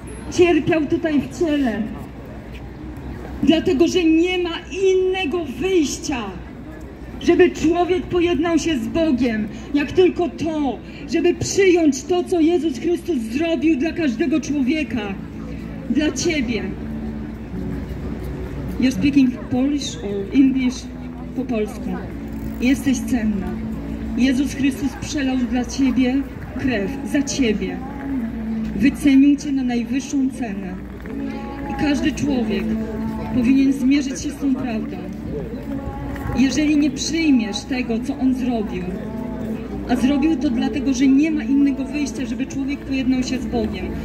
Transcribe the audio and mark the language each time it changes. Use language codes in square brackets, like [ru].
[pl] Cierpiał tutaj w ciele, dlatego że nie ma innego wyjścia. Żeby człowiek pojednał się z Bogiem, jak tylko to, żeby przyjąć to, co Jezus Chrystus zrobił dla każdego człowieka, dla ciebie. [en] You're speaking Polish or English? [pl] Po polsku. Jesteś cenna. Jezus Chrystus przelał dla ciebie krew, za ciebie. Wycenił cię na najwyższą cenę. I każdy człowiek powinien zmierzyć się z tą prawdą. Jeżeli nie przyjmiesz tego, co On zrobił, a zrobił to dlatego, że nie ma innego wyjścia, żeby człowiek pojednał się z Bogiem.